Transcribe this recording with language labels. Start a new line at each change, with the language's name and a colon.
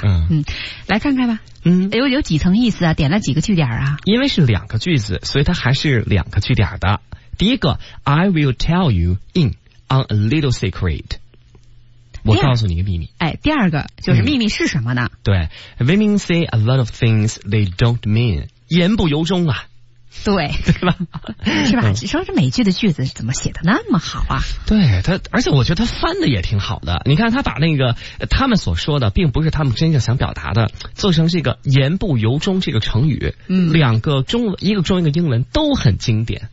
Chinese: 嗯，来看看吧。嗯，有几层意思啊？点了几个句点啊？因为是两个句子，所以它还是两个句点的。第一个
English: I will tell you in on a little secret，
Chinese: 我告诉你一个秘密。哎，第二个就是秘密是什么呢？对，
English: Women say a lot of things they don't mean，
Chinese: 言不由衷啊。对，对吧？是吧？你说这美剧的句子怎么写的那么好啊？对他，而且我觉得他翻的也挺好的。你看他把那个他们所说的，并不是他们真正想表达的，做成这个“言不由衷”这个成语，嗯，两个中文，一个中文，一个英文，都很经典。